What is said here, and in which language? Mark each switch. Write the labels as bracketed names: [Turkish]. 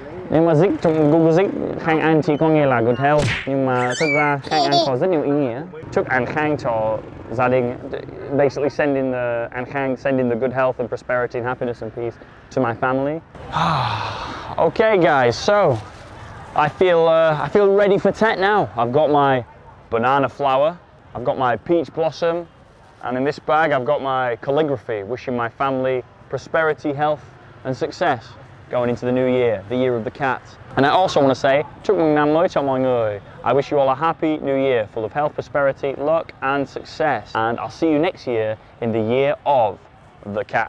[Vietnamese] Nếu mà dịch trong Google dịch, khang an chỉ có nghĩa là [English] good health. [Vietnamese] Nhưng mà thật ra khang an có rất nhiều ý nghĩa. Chúc an khang cho gia đình. [English] Basically sending the an khang, sending the good health and prosperity and happiness and peace to my family. Okay guys, so I feel ready for Tet now. I've got my banana flower, I've got my peach blossom, and in this bag I've got my calligraphy, wishing my family prosperity, health and success going into the new year, the year of the cat. And I also want to say, [Vietnamese] chúc mừng năm mới cho mọi người. [English] I wish you all a happy new year, full of health, prosperity, luck and success. And I'll see you next year in the year of the cat.